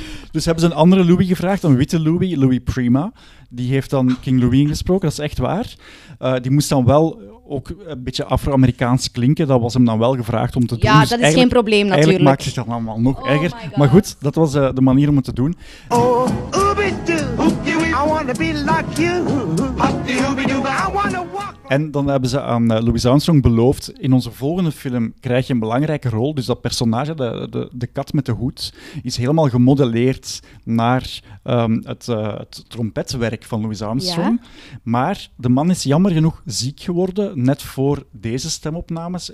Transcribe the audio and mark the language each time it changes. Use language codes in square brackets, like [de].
[nl] Dus hebben ze een andere Louis gevraagd, een witte Louis, Louis Prima. Die heeft dan King Louis ingesproken, dat is echt waar. Die moest dan wel ook een beetje Afro-Amerikaans klinken. Dat was hem dan wel gevraagd om te doen. Ja, dat is geen probleem natuurlijk. Eigenlijk maakt het dan allemaal nog erger. Maar goed, dat was de manier om het te doen. [en] Oh, ooby-doo, I wanna be like you. Hoop-dee-hoop-dee-doo, but I wanna walk. [nl] En dan hebben ze aan Louis Armstrong beloofd, in onze volgende film krijg je een belangrijke rol. Dus dat personage, de kat met de hoed, is helemaal gemodelleerd naar het trompetwerk van Louis Armstrong. Ja. Maar de man is jammer genoeg ziek geworden, net voor deze stemopnames.